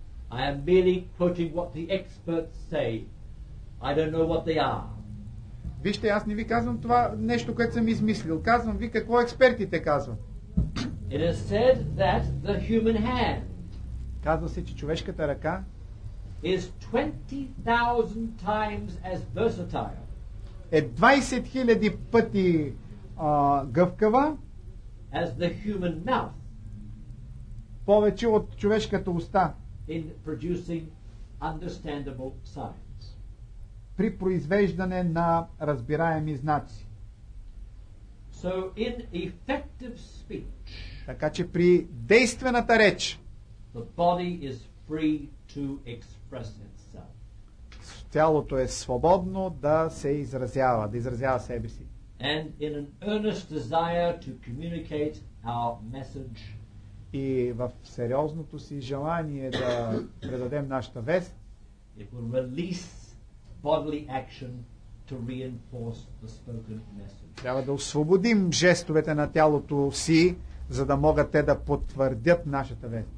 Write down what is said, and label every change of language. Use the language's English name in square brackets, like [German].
[English] I am merely quoting what the experts say. I don't know what they are. [Bulgarian] Вижте, аз не ви казвам това нещо, което съм измислил. Казвам ви какво експертите казват. [English] It is said that the human hand, [Bulgarian] казва се, че човешката ръка [English] is 20,000 times as versatile. [Bulgarian] Е 20 000 пъти гъвкава [English] as the human mouth, [Bulgarian] повече от човешката уста [English] in producing understandable sign. [Bulgarian] При произвеждане на разбираеми знаци. [English] So in effective speech, [Bulgarian] така че при действената реч, [English] the body is free to express itself. [Bulgarian] Тялото е свободно да се изразява, да изразява себе си. [English] And in an earnest desire to communicate our message, [Bulgarian] и в сериозното си желание да предадем нашата вест, [English] it will release bodily action to reinforce the spoken message. [Bulgarian] Трябва да освободим жестовете на тялото си, за да могат те да потвърдят нашата вест.